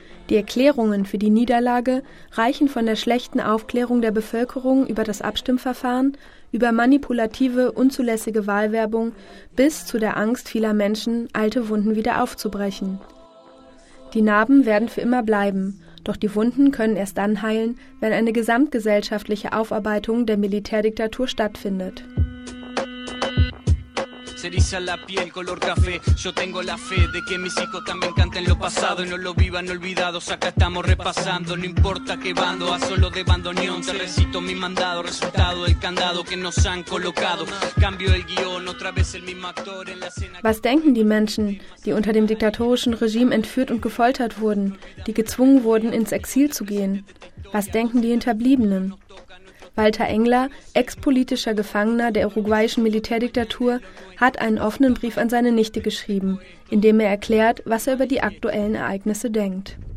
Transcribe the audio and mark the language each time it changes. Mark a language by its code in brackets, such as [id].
[de] Die Erklärungen für die Niederlage reichen von der schlechten Aufklärung der Bevölkerung über das Abstimmverfahren, über manipulative, unzulässige Wahlwerbung bis zu der Angst vieler Menschen, alte Wunden wieder aufzubrechen. Die Narben werden für immer bleiben, doch die Wunden können erst dann heilen, wenn eine gesamtgesellschaftliche Aufarbeitung der Militärdiktatur stattfindet. [es] Eriza la piel color café, yo tengo la fe de que mis hijos también canten lo pasado y no lo vivan olvidados, acá estamos repasando, no importa qué bando, a solo de bandoneón, te recito mi mandado, resultado del candado que nos han colocado, cambio el guión, otra vez el mismo actor en la escena. [de] Was denken die Menschen, die unter dem diktatorischen Regime entführt und gefoltert wurden, die gezwungen wurden, ins Exil zu gehen? Was denken die Hinterbliebenen? Walter Engler, ex-politischer Gefangener der uruguayischen Militärdiktatur, hat einen offenen Brief an seine Nichte geschrieben, in dem er erklärt, was er über die aktuellen Ereignisse denkt.